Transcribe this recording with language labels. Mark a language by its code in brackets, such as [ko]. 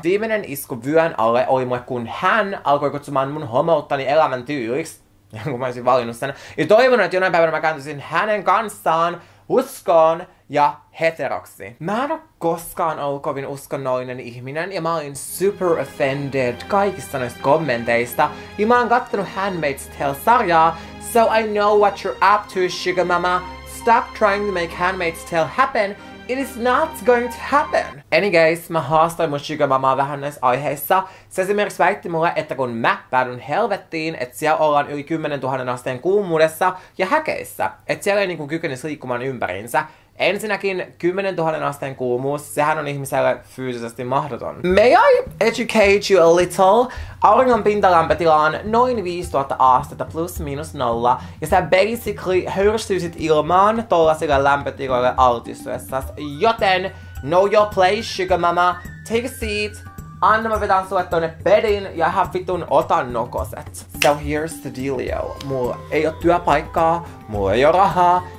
[fi] Viimeinen isku vyön alle oli mulle, kun hän alkoi kutsumaan mun homouttani elämäntyyliksi, kun mä olisin valinnut sen, ja toivonut, että jonain päivänä mä kääntyisin hänen kanssaan uskoon, ja heteroksi. Mä en oo koskaan ollut kovin uskonnollinen ihminen ja mä olin [en] super offended [fi] kaikista noista kommenteista. Ja mä oon kattonut Handmaid's Tale-sarjaa. [en] So I know what you're up to, sugar mama. Stop trying to make Handmaid's Tale happen. It is not going to happen. Anyways, [fi] mä haastoin mun sugar mamaa vähän näissä aiheissa. Se esimerkiksi väitti mulle, että kun mä päädyn helvettiin, että siellä ollaan yli 10 000 asteen kuumuudessa ja häkeissä. Että siellä ei niinku kykenis liikkumaan ympäriinsä. Ensinnäkin 10 000 asteen kuumuus, sehän on ihmiselle fyysisesti mahdoton. [en] May I educate you a little? [fi] Auringon pintalämpötila on noin 5000 astetta plus minus nolla. Ja sä [en] basically [fi] hörstyisit ilmaan tollasille lämpötiloille altistuessas. Joten, [en] know your place, sugar mama. Take a seat. [fi] Anna mä vetän sulle tonne bedin ja ihan vitun otan nokoset. [en] So here's the dealio. [fi] Mulla ei oo työpaikkaa, mulla ei oo rahaa.